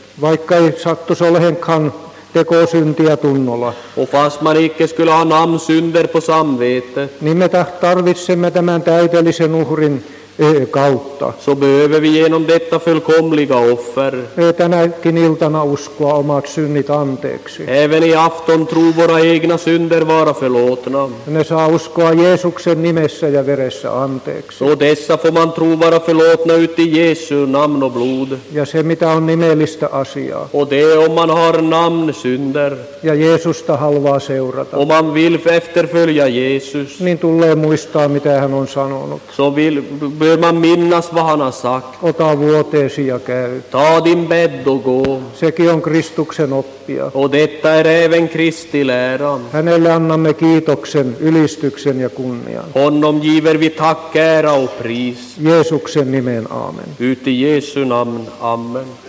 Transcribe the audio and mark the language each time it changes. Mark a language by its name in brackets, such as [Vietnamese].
[Finnish] Vaikka ei sattuisi olehenkaan tekosyntiä tunnolla. [Swedish] Och fast man icke skulle ha namn synder på samvete. [Finnish] Niin me tarvitsemme tämän täydellisen uhrin kautta. [Swedish] Så behöver vi genom detta fullkomliga offer. [Finnish] Tänäkin iltana uskoa omat synnit anteeksi. [Swedish] Även i afton tro våra egna synder vara förlåtna. [Finnish] Ne saa uskoa Jeesuksen nimessä ja veressä anteeksi. [Swedish] Och dessa får man tro vara förlåtna ut i Jesu namn och blod. [Finnish] Ja se mitä on nimellistä asiaa. [Swedish] Och det om man har namn synder. [Finnish] Ja Jeesusta haluaa seurata. [Swedish] Om man vill efterfölja Jesus. [Finnish] Niin tulee muistaa mitä hän on sanonut. [Swedish] Så vill bör man minnas vad han har sagt. [Finnish] Ota vuoteesi ja käy. [Swedish] Ta din bädd och gå. [Finnish] Sekin on Kristuksen oppia. [Swedish] Och detta är även Kristi lära. [Finnish] Hänelle annamme kiitoksen, ylistyksen ja kunnian. [Swedish] Honom giver vi tack, ära och pris. [Finnish] Jeesuksen nimen, amen. [Swedish] Ut i Jesu namn, amen.